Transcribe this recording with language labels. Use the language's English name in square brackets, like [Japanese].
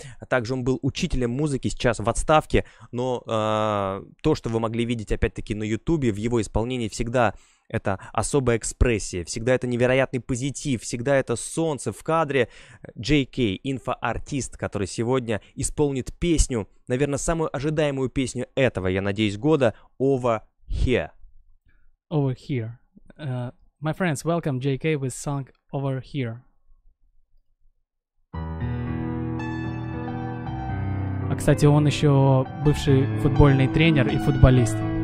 [Russian] Также он был учителем музыки, сейчас в отставке, но то, что вы могли видеть опять-таки на Ютубе, в его исполнении всегда... Это особая экспрессия, всегда это невероятный позитив, всегда это солнце в кадре. JK, инфоартист, который сегодня исполнит песню, наверное, самую ожидаемую песню этого, я надеюсь, года, Over Here. [English] Over Here. My friends, welcome JK with song Over Here. [Russian] А, кстати, он еще бывший футбольный тренер и футболист.